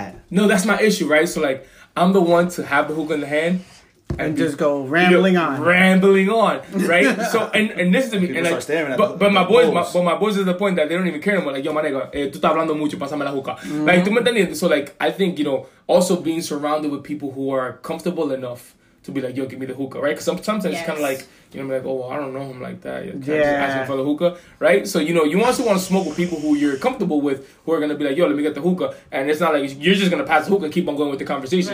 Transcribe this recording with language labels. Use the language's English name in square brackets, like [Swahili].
[English] No, that's my issue, right? So, like, I'm the one to have the hookah in the hand. and just go rambling, you know, on. Rambling on, right? So, and this is the, and like, but my boys is the point that they don't even care anymore. [Spanish] Like, yo, manega, tú estás hablando mucho, pásame la juca. Like, tú me entiendes? [English] So, like, I think, you know, also being surrounded with people who are comfortable enough to be like, yo, give me the hookah, right? Because sometimes it's kind of like, you know, I'm like, oh, well, I don't know him like that. Just asking for the hookah, right? So, you know, you also want to smoke with people who you're comfortable with, who are going to be like, yo, let me get the hookah. And it's not like you're just going to pass the hookah and keep on going with the conversation.